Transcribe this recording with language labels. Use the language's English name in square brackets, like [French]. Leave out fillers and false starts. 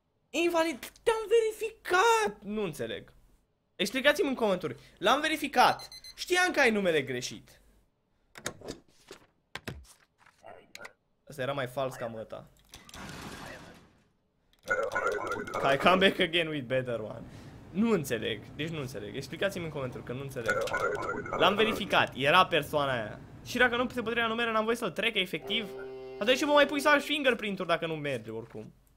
[Romanian] Invalid... Te-am verificat! Nu înțeleg. Explicați-mi în comentarii. L-am verificat. Știam că ai numele greșit. Asta era mai fals ca măta. [English] I come back again with better one. [Romanian] Nu înțeleg, deci nu înțeleg. Explicați-mi în comentarii că nu înțeleg. L-am verificat, era persoana aia. Și dacă nu se potrivea numele, n-am voie să-l trec efectiv. Atunci și mă mai pui să ai fingerprint-uri dacă nu merge oricum.